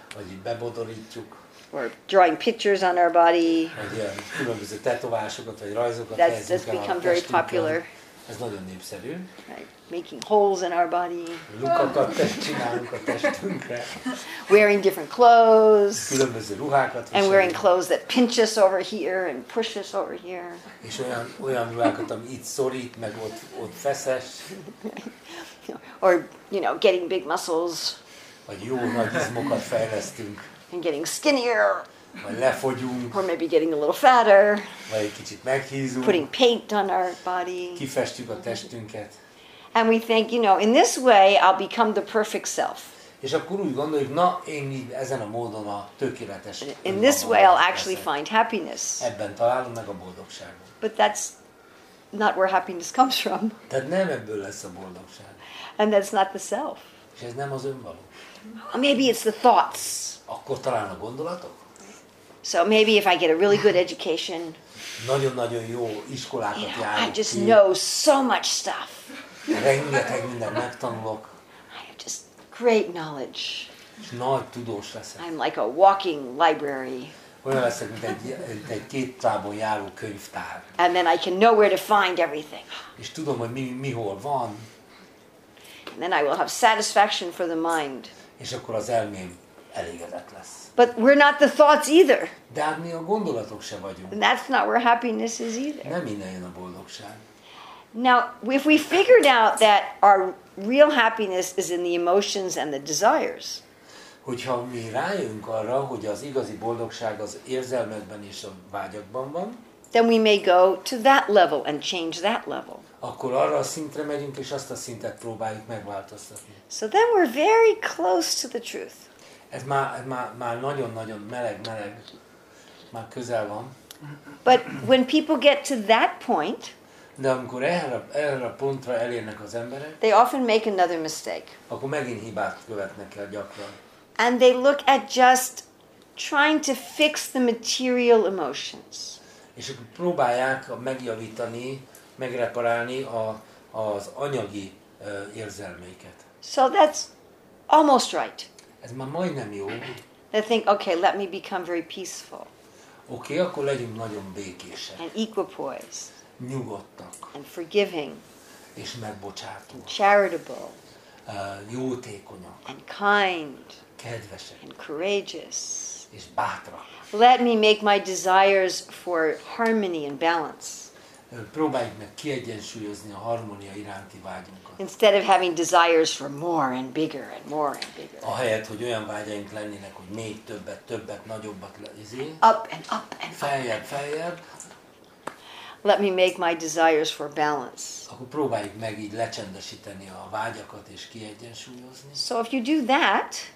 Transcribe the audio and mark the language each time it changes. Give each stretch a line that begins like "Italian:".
Hungarian: Vagy így bebodorítjuk.
English: Or drawing pictures on our body.
Hungarian: Vagy ilyen különböző tetoválásokat vagy rajzokat helyezünk el a testünkön.
English: That's become very popular.
Hungarian: Ez nagyon népszerű.
English: Right. Making holes in our body.
Hungarian: Lukakat csinálunk a testünkre.
English: Wearing different clothes.
Hungarian: Különböző ruhákat viselünk.
English: And wearing clothes that pinch us over here and push us over here.
Hungarian: És olyan ruhákat, ami itt szorít, meg ott feszes.
English: Or, you know, getting big muscles.
Hungarian: Vagy jó nagy izmokat fejlesztünk.
English: And getting skinnier.
Hungarian: Vagy lefogyunk.
English: Or maybe getting a little fatter.
Hungarian: Vagy egy kicsit meghízunk.
English: Putting paint on our body.
Hungarian: Kifestjük a testünket.
English: And we think, you know, in this way I'll become the perfect self.
Hungarian: És akkor úgy gondoljuk, na én ezen a módon a tökéletes.
English: In this way I'll actually find happiness.
Hungarian: Ebben találom meg a boldogságot.
English: But that's not where happiness comes from.
Hungarian: De nem ebből lesz a boldogság.
English: And that's not the self.
Hungarian: És ez nem az önvaló.
English: Maybe it's the thoughts.
Hungarian: Akkor talán a gondolatok.
English: So maybe if I get a really good education.
Hungarian: Nagyon-nagyon jó iskolákat járok.
English: I just know so much stuff.
Hungarian: Rengeteg mindent megtanulok.
English: I have just great knowledge.
Hungarian: Nagy tudós leszek.
English: I'm like a walking library.
Hungarian: Olyan leszek, mint egy képtárban járó könyvtár.
English: And then I can know where to find everything.
Hungarian: És tudom, hogy mi hol van.
English: And then I will have satisfaction for the mind.
Hungarian: És akkor az elmém elégedett lesz.
English: But we're not the thoughts either.
Hungarian: De hát mi a gondolatok se vagyunk.
English: And that's not where happiness is either.
Hungarian: Nem innen jön a boldogság.
English: Now, if we figured out that our real happiness is in the emotions and the desires.
Hungarian: Hogyha mi rájönk arra, hogy az igazi boldogság az érzelmekben és a vágyakban van,
English: then we may go to that level and change that level.
Hungarian: Akkor arra a szintre megyünk és azt a szintet próbáljuk megváltoztatni.
English: So then we're very close to the truth.
Hungarian: Ez már nagyon-nagyon meleg, már közel van.
English: But when people get to that point,
Hungarian: de amikor erre a pontra elérnek az emberek,
English: they often make another mistake.
Hungarian: Akkor megint hibát követnek el gyakran.
English: And they look at just trying to fix the material emotions.
Hungarian: És akkor próbálják megjavítani, megreparálni az anyagi érzelmeiket.
English: So that's almost right.
Hungarian: Ez már majdnem jó.
English: They think, okay, let me become very peaceful.
Hungarian: Okay, akkor legyünk nagyon békések.
English: And equipoise.
Hungarian: Nyugodtak.
English: And forgiving.
Hungarian: És megbocsátó.
English: Charitable.
Hungarian: Jótékonyak.
English: And kind.
Hungarian: Kedvesek.
English: And courageous.
Hungarian: És bátrak.
English: Let me make my desires for harmony and balance.
Hungarian: Próbáljuk meg kiegyensúlyozni a harmónia iránti vágyunkat.
English: Instead of having desires for more and bigger and more and bigger.
Hungarian: Ahelyett, hogy olyan vágyaink lennének, hogy még többet, nagyobbat lezi.
English: Up and up and up.
Hungarian: Feljebb.
English: Let me make my desires for balance.
Hungarian: Akkor próbáljuk meg így lecsendesíteni a vágyakat és kiegyensúlyozni.
English: So if you do that,